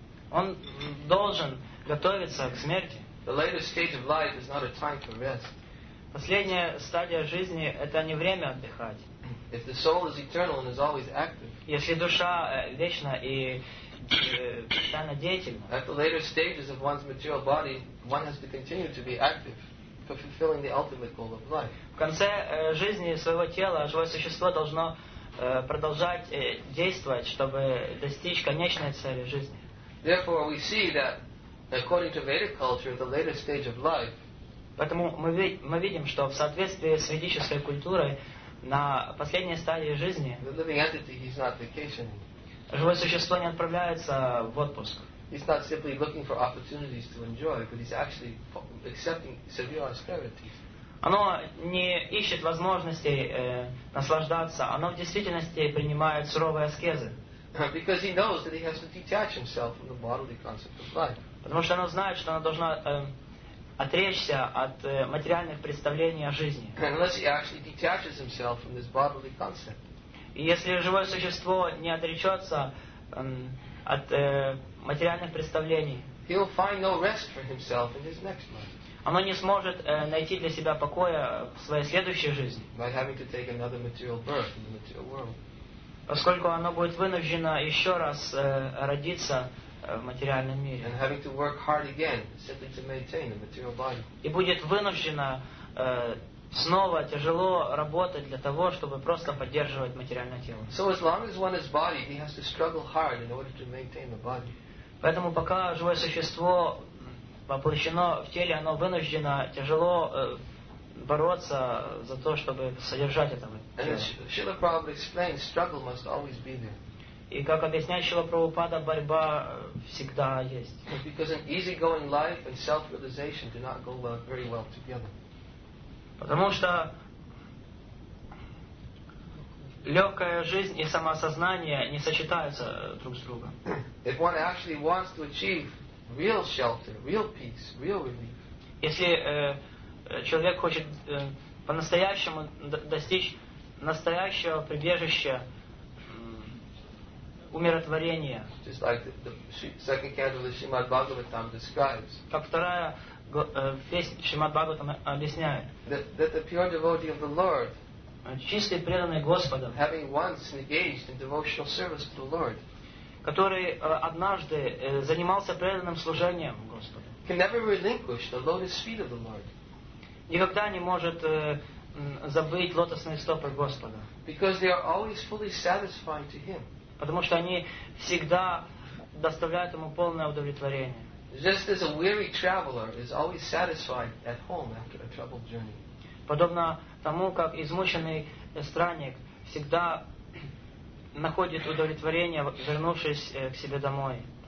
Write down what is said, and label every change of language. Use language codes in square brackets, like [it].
[ru] Он должен готовиться к смерти. [en] The later stage of life is not a time to rest. [ru] Последняя стадия жизни – это не время отдыхать. [en] If the soul is eternal and is always active. [ru] Если душа вечна и постоянно деятельна. [en] At the later stages of one's material body, one has to continue to be active. For fulfilling the ultimate goal of life. [ru] В конце жизни своего тела живое существо должно продолжать действовать, чтобы достичь конечной цели жизни. [en] Therefore, we see that according to Vedic culture, the later stage of life. [ru] Поэтому мы видим, что в соответствии с ведической культурой на последней стадии жизни. [en] The living entity is not vacationing. [ru] Живое существо не отправляется в отпуск. [en] He's not simply looking for opportunities to enjoy, but he's actually accepting severe austerities. [ru] Оно не ищет возможностей наслаждаться. Оно в действительности принимает суровые аскезы. [en] Because he knows that he has to detach himself from the bodily concept of life. [ru] Потому что оно знает, что оно должно отречься от материальных представлений о жизни. [en] Unless he actually detaches himself from this bodily concept. [ru] И если живое существо не отречется от материальных представлений. [en] He'll find no rest for himself in his next life. [ru] Оно не сможет найти для себя покоя в своей следующей жизни. [en] By having to take another material birth in the material world. [ru] Поскольку оно будет вынуждено еще раз родиться в материальном мире. [en] And having to work hard again simply to maintain the material body. [ru] И будет вынуждено снова тяжело работать для того, чтобы просто поддерживать материальное тело. [en] So as long as one is body, he has to struggle hard in order to maintain the body. [ru] Поэтому пока живое существо воплощено в теле, оно вынуждено тяжело бороться за то, чтобы содержать это тело. [en] And as Srila Prabhupada explained, struggle must always be there. [ru] И как объясняет Шрила Прабхупада, борьба всегда есть. [en] Because an easygoing life and self-realization do not go very well together. [ru] Потому что легкая жизнь и самоосознание не сочетаются друг с другом. [en] If one actually wants to achieve real shelter, real peace, real relief. [ru] Если человек хочет по-настоящему достичь настоящего прибежища, умиротворения. [en] Just like the second canto of the Srimad Bhagavatam describes. [ru] Как вторая песня Шримад Бхагаватам объясняет. [en] That the pure devotee of the Lord, [ru] чистый преданный Господа, [en] having once engaged in devotional service to the Lord, [ru] который однажды занимался преданным служением Господу, [en] can never relinquish the lotus feet of the Lord. [ru] Никогда не может забыть лотосные стопы Господа. [en] Because they are always fully satisfying to Him. [ru] Потому что они всегда доставляют ему полное удовлетворение. [en] Just as a weary traveler is always satisfied at home after a troubled journey. [ru] Подобно тому, как измученный странник всегда находит удовлетворение, вернувшись к себе домой.